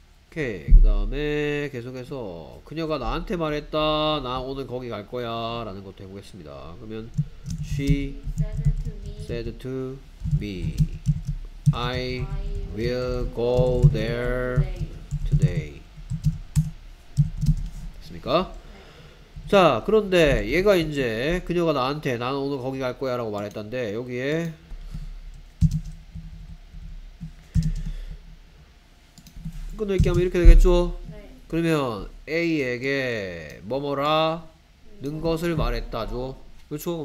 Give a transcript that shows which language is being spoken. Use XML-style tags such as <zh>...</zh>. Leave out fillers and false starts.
<ko>오케이. 그 다음에 계속해서 그녀가 나한테 말했다. 나 오늘 거기 갈 거야 라는 것도 해보겠습니다.</ko> <en>그러면 She said to me I will go there today.</en> <ko>됐습니까? 자, 그런데 얘가 이제 그녀가 나한테 나 오늘 거기 갈 거야 라고 말했던데 여기에 끊을게 하면 이렇게 되겠죠? 네. 그러면 A에게 뭐뭐라 는 것을 말했다죠. 그렇죠?</ko>